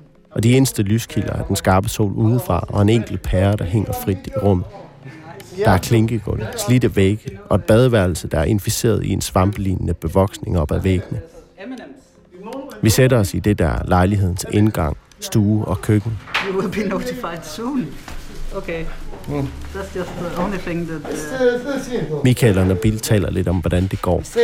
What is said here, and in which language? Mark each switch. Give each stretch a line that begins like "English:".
Danish: Og de eneste lyskilder er den skarpe sol udefra og en enkelt pære, der hænger frit i rummet. Der er klinkegulv, slidte vægge og et badeværelse, der er inficeret i en svampelignende bevoksning op ad væggene. Vi sætter os i det der lejlighedens indgang, stue og køkken.
English: You will be notified soon. Okay. That's just the only thing that...
Danish: Michael og Nabil taler lidt om, hvordan det går.